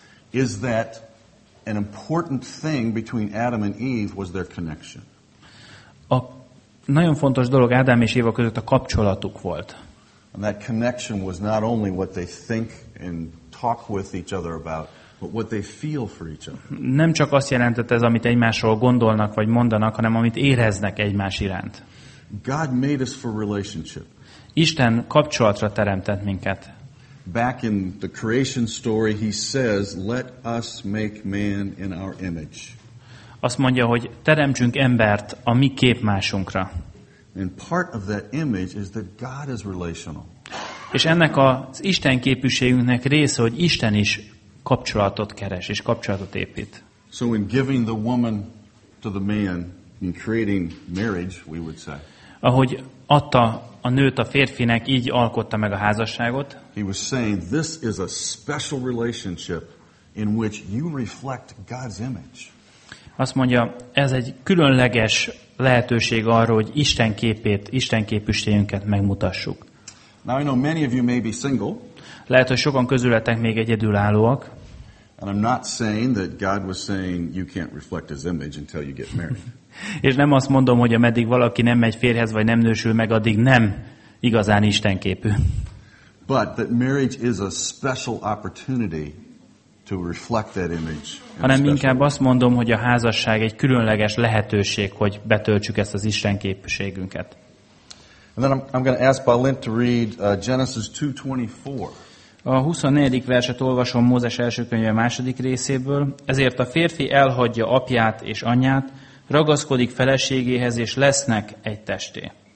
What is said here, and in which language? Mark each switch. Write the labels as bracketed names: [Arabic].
[English] is that an important thing between Adam and Eve was their connection. [Hungarian] A nagyon fontos dolog Ádám és Éva között a kapcsolatuk volt. [English] And that connection was not only what they think and talk with each other about, but what they feel for each other. [Hungarian] Nem csak azt jelentett ez, amit egymásról gondolnak vagy mondanak, hanem amit éreznek egymás iránt. [English] God made us for relationship. [Hungarian] Isten kapcsolatra teremtett minket. [English] Back in the creation story, he says, "Let us make man in our image." [Hungarian] Azt mondja, hogy teremtsünk embert a mi képmásunkra. [English] And part of that image is that God is relational. [Hungarian] És ennek az Isten képűségünknek része, hogy Isten is kapcsolatot keres és kapcsolatot épít. [English] So in giving the woman to the man in creating marriage, we would say. [Hungarian] Ahogy adta a nőt a férfinek, így alkotta meg a házasságot. [English] He was saying this is a special relationship in which you reflect God's image. [Hungarian] Azt mondja, ez egy különleges lehetőség arra, hogy Isten képét, Isten képűségünket megmutassuk. [English] Now I know many of you may be single. [Hungarian] Lehet, hogy sokan közületek még egyedülállóak. [English] And I'm not saying that God was saying you can't reflect his image until you get married. [Hungarian] És nem azt mondom, hogy ameddig valaki nem megy férjhez vagy nem nősül meg, addig nem igazán Isten képű. [English] But that marriage is a special opportunity to reflect that image. [Hungarian] Hanem inkább azt mondom, hogy a házasság egy különleges lehetőség, hogy betöltsük ezt az Isten képűségünket. [English] And then I'm going to ask Balint to read Genesis 2:24. [Hungarian] A 24. verset olvasom Mózes első könyve második részéből. Ezért a férfi elhagyja apját és anyját, ragaszkodik feleségéhez, és lesznek egy testé.